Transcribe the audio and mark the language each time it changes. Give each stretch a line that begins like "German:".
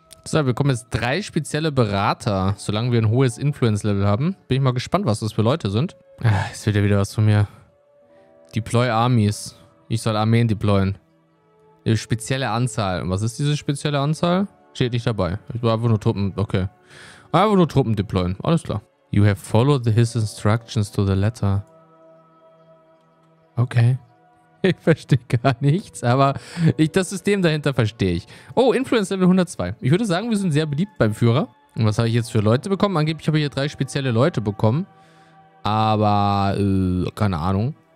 German: So, wir bekommen jetzt drei spezielle Berater, solange wir ein hohes Influence-Level haben. Bin ich mal gespannt, was das für Leute sind. Es wird ja wieder was von mir. Deploy Armies. Ich soll Armeen deployen. Eine spezielle Anzahl. Was ist diese spezielle Anzahl? Steht nicht dabei. Ich will einfach nur Truppen. Okay. Einfach nur Truppen deployen. Alles klar.
English: You have followed his instructions to the letter. Okay.
German: Ich verstehe gar nichts, aber das System dahinter verstehe ich. Oh, Influence Level 102. Ich würde sagen, wir sind sehr beliebt beim Führer. Und was habe ich jetzt für Leute bekommen? Angeblich habe ich hier drei spezielle Leute bekommen. Aber, keine Ahnung.